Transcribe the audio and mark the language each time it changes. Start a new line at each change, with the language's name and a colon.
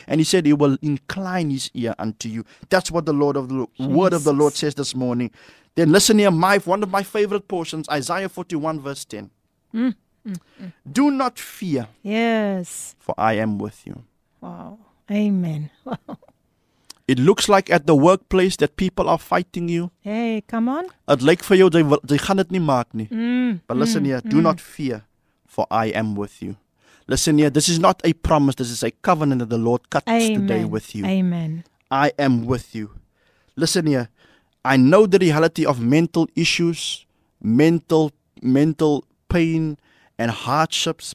English: And he said he will incline his ear unto you. That's what the Lord of the word of the Lord says this morning. Then listen here, one of my favorite portions, Isaiah 41 verse 10. Do not fear. Yes. For I am with you. Wow. Amen. It looks like at the workplace that people are fighting you. Hey, come on.
Dutch: Het lijkt voor jou, ze gaan het niet maken.
English: But listen here, do not fear, for I am with you. Listen here, this is not a promise, this is a covenant that the Lord cuts today with you. Amen. I am with you. Listen here, I know the reality of mental issues, mental pain and hardships.